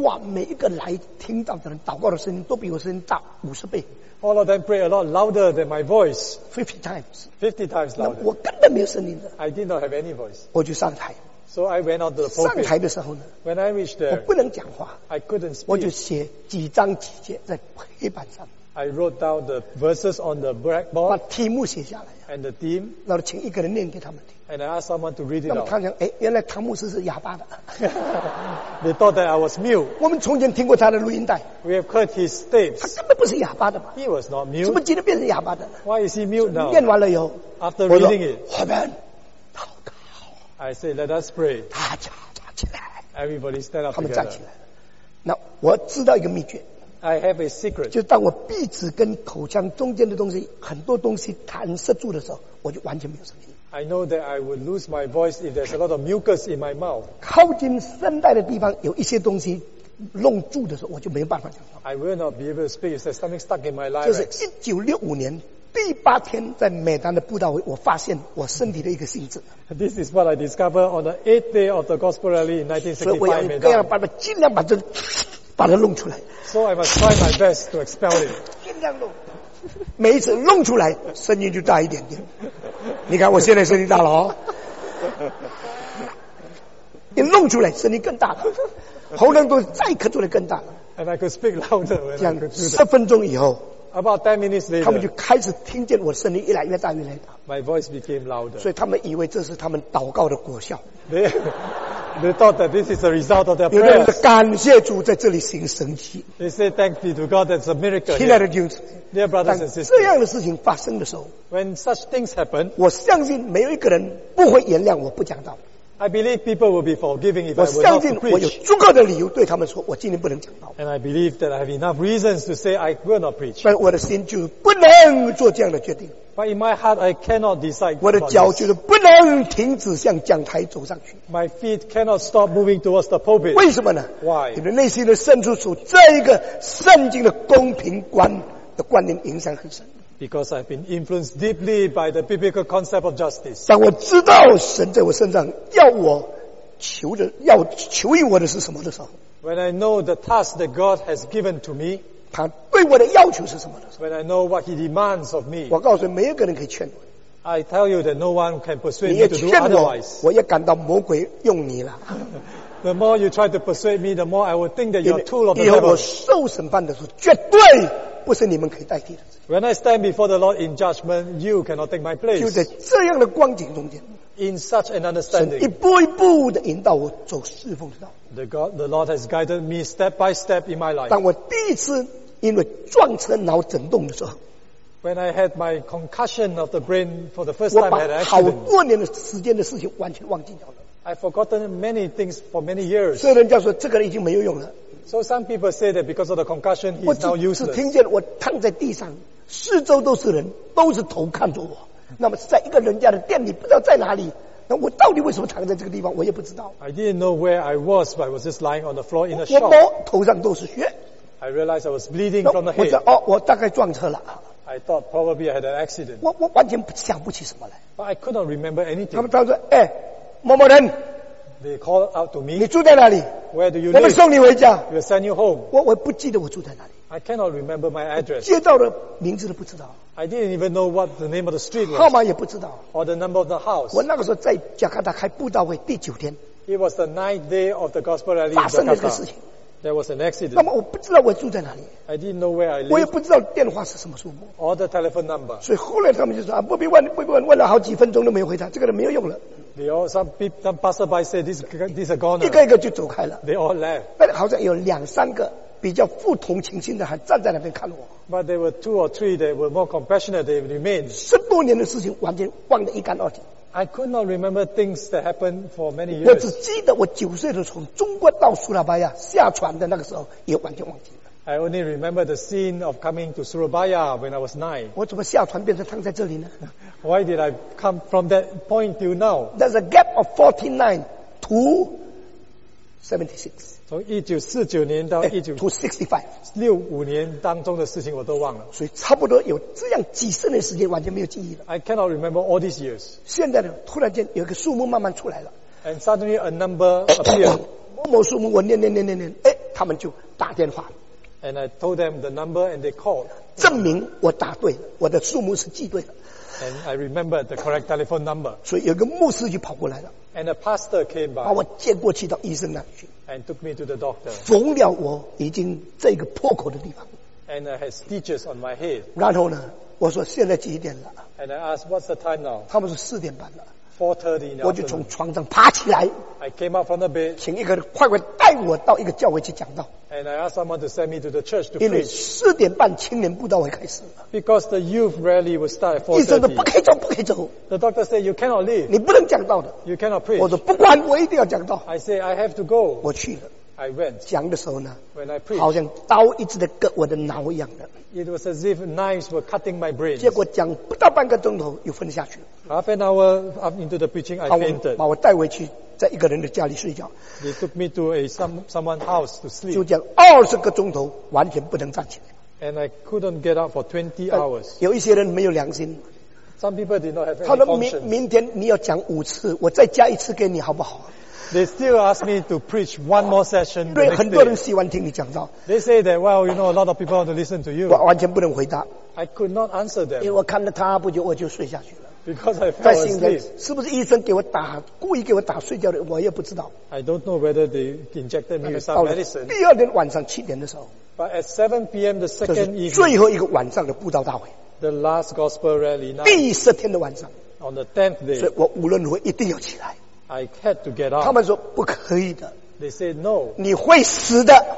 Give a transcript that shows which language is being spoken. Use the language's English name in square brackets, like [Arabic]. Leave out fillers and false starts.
[Chinese] 哇，每一个来听到的人祷告的声音都比我声音大50倍。 [English] All of them prayed a lot louder than my voice. 50 times. 50 times louder. [Chinese] 我根本没有声音的。 [English] I did not have any voice. [Chinese] 我就上台。 [English] So I went on to the pulpit. [Chinese] 上台的时候呢 [English] ，When I reached there， [Chinese] 我不能讲话 [English] ，I couldn't speak。 [Chinese] 我就写几章几节在黑板上。 [English] I wrote down the verses on the blackboard。 [Chinese] 把题目写下来。 [English] And the theme。 [Chinese] 然后请一个人念给他们听。 [English] And I asked someone to read it out。 [Chinese] 那么他讲，哎，原来汤姆斯是哑巴的。 [English] They thought that I was mute。 [Chinese] 我们从前听过他的录音带。 [English] We have heard his tapes。 [Chinese] 他根本不是哑巴的嘛。 [English] He was not mute。 [Chinese] 怎么今天变成哑巴的 [English] ？Why is he mute now？ [Chinese] 念完了以后 [English] ，After reading it， [Chinese] 我们。 [English] I say, let us pray. [Chinese] 大家站起来。 [English] Everybody stand up together. [Chinese] 他们站起来。那我知道一个秘诀。 [English] I have a secret. [Chinese] 就当我鼻子跟口腔中间的东西，很多东西弹射住的时候，我就完全没有声音。 [English] I know that I would lose my voice if there's a lot of mucus in my mouth. [Chinese] 靠近声带的地方有一些东西弄住的时候，我就没有办法讲话。 [English] I will not be able to speak if there's something stuck in my larynx. [Chinese] 就是1965年。第八天在美丹的布道会，我发现我身体的一个性质。 [English] This is what I discovered on the eighth day of the gospel rally in 1965. [Chinese] 所以我要一个样把它尽量把这把它弄出来。 [English] So I must try my best to expel it. [Chinese] 尽量弄，每一次弄出来声音就大一点点。你看我现在声音大了哦，一弄出来声音更大了，喉咙都再咳出来更大了。 [English] And I could speak louder. [Chinese] 这样十分钟以后。 [English] About 10 minutes later, [Chinese] 他们就开始听见我的声音越来越大越来越大。 [English] My voice became louder. [Chinese] 所以他们以为这是他们祷告的果效。 [English] They thought that this is the result of their prayers. [Chinese] 有的人说感谢主在这里行神迹。 [English] They say thank be to God that's a miracle. [Chinese] 亲爱的弟兄姊 [English] 妹， Dear brothers and sisters, [Chinese] 这样的事情发生的时候， [English] When such things happen, [Chinese] 我相信没有一个人不会原谅我不讲道。 [English] I believe people will be forgiving if I will not preach. [Chinese] 我相信我有足够的理由对他们说，我今天不能讲道。 [English] And I believe that I have enough reasons to say I will not preach. [Chinese] 但我的心就不能做这样的决定。 [English] But in my heart, I cannot decide. [Chinese] 我的脚就是不能停止向讲台走上去。 [English] My feet cannot stop moving towards the pulpit. [Chinese] 为什么呢 [English] ？Why？ [Chinese] 你的内心的深处受这一个圣经的公平观的观念影响很深。 [English] Because I've been influenced deeply by the biblical concept of justice. [Chinese] 但我知道神在我身上要我求的，要求于我的是什么的时候。 [English] When I know the task that God has given to me. [Chinese] 他对我的要求是什么的时候。 [English] When I know what He demands of me. [Chinese] 我告诉你，没有一个人可以劝我。 [English] I tell you that no one can persuade me to do otherwise. [Chinese] 我也感到魔鬼用你了。 [English] The more you try to persuade me, the more I will think that you're a tool of the [Chinese] devil. 以后我受审判的时候，绝对不是你们可以代替的。 [English] When I stand before the Lord in judgment, you cannot take my place. [Chinese] 就在这样的光景中间。 [English] In such an understanding. [Chinese] 神一步一步地引导我走侍奉的道。 [English] The Lord has guided me step by step in my life. [Chinese] 当我第一次因为撞车脑震动的时候。 [English] When I had my concussion of the brain for the first time, I had an accident. [Chinese] 我把好多年的时间的事情完全忘记掉了。 [English] I've forgotten many things for many years. [Chinese] 所以人家说这个人已经没有用了。 [English] So some people say that because of the concussion, he's now useless. [Chinese] 我只听见我躺在地上，四周都是人，都是头看着我。那么在一个人家的店里，不知道在哪里。那我到底为什么躺在这个地方，我也不知道。 [English] I didn't know where I was, but I was just lying on the floor in a shop. [Chinese] 我摸头上都是血。 [English] I realized I was bleeding from the head. [Chinese] 我想，哦，我大概撞车了。 [English] I thought probably I had an accident. [Chinese] 我完全想不起什么来。 [English] But I could not remember anything. [Chinese] 他们当时，哎，某某人。 [English] They called out to me. [Chinese] 你住在哪里？ [English] Where do you [Chinese] 我们送你回家。 [English] We'll send you home. [Chinese] 我不记得我住在哪里。 [English] I cannot remember my address. [Chinese] 街道的名字都不知道。 [English] I didn't even know what the name of the street was. [Chinese] 号码也不知道。 [English] Or the number of the house. [Chinese] 我那个时候在加拿大开布道会第九天。 [English] It was the ninth day of the gospel rally. [Chinese] 发生了这个事情。 [English] There was an accident. [Chinese] 那么我不知道我住在哪里。 [English] I didn't know where I live. [Chinese] 我也不知道电话是什么数目。 [English] Or the telephone number. [Chinese] 所以后来他们就说啊，不必问，不必问，问了好几分钟都没有回答，这个人没有用了。 [English] They all some passerby say this is gone. [Chinese] 一个一个就走开了。 [English] They all left. [Chinese] 但好像有两三个比较不同情心的还站在那边看我。 [English] But there were two or three that were more compassionate. They remained. [Chinese] 十多年的事情完全忘得一干二净。 [English] I could not remember things that happened for many years. [Chinese] 我只记得我九岁的时候从中国到苏拉巴亚下船的那个时候也完全忘记了。 [English] I only remember the scene of coming to Surabaya when I was nine. [Chinese] 我怎么下船变成躺在这里呢？ [English] Why did I come from that point till now? There's a gap of 49 to 76. From 1949 to 65. [Chinese] 65年当中的事情我都忘了。I [English] cannot remember all these years. [Chinese] 现在呢，突然间有一个数目慢慢出来了。 [English] And suddenly a number appeared. [Chinese] 某某数目，我念念念念念，哎，他们就打电话。 [English] And I told them the number and they called. [Chinese] 证明我答对，我的数目是记对的。 [English] And I remember the correct telephone number. [Chinese] 所以有个牧师就跑过来了。 [English] And a pastor came by. [Chinese] 把我接过去到医生那里去。 [English] And took me to the doctor. [Chinese] 缝了我已经这个破口的地方。 [English] And I had stitches on my head. [Chinese] 然后呢，我说现在几点了？ [English] And I asked, what's the time now? [Chinese] 他们说四点半了。 [English] 4:30 [Chinese] 我就从床上爬起来 [English] I came up from the bed, [Chinese] 请一个人快快带我到一个教会去讲道 [English] and I asked someone to send me to the church to [Chinese] 因为四点半青年布道会开始了 [English] Because the youth rally would start at 4:30 [Chinese] 医生说不可以走不可以走 [English] The doctor said you cannot leave [Chinese] 你不能讲道的 [English] You cannot preach [Chinese] 我说不管我一定要讲道 [English] I said I have to go [Chinese] 我去了 [English] I went [Chinese] 讲的时候呢 [English] When I preach [Chinese] 好像刀一直在割我的脑一样的 [English] It was as if knives were cutting my brain [Chinese] 结果讲不到半个钟头又分下去了 [English] Half an hour up into the preaching, I fainted. [Chinese] 把我带回去，在一个人的家里睡觉。 [English] They took me to someone's house to sleep. [Chinese] 就这样20个钟头，完全不能站起来。 [English] And I couldn't get up for 20 hours. [Chinese] 有一些人没有良心。 [English] Some people did not have any [Chinese] conscience. 他说明天你要讲5次，我再加一次给你好不好？ [English] They still asked me to preach one more session. [Chinese] 对，很多人喜欢听你讲道。 [English] They say that, well, you know, a lot of people want to listen to you. [Chinese] 我完全不能回答。 [English] I could not answer them. [Chinese] 因为我看着他不久，我就睡下去了。 [English] Because I fell asleep. [Chinese] 是不是医生给我打故意给我打睡觉的我也不知道 [English] I don't know whether they injected me with some medicine [Chinese] 第二天晚上七点的时候 [English] But at 7 p.m. the second evening [Chinese] 这是最后一个晚上的布道大会 [English] The last gospel rally night [Chinese] 第十天的晚上 [English] On the 10th day [Chinese] 所以我无论如何一定要起来 [English] I had to get up [Chinese] 他们说不可以的 [English] They said no [Chinese] 你会死的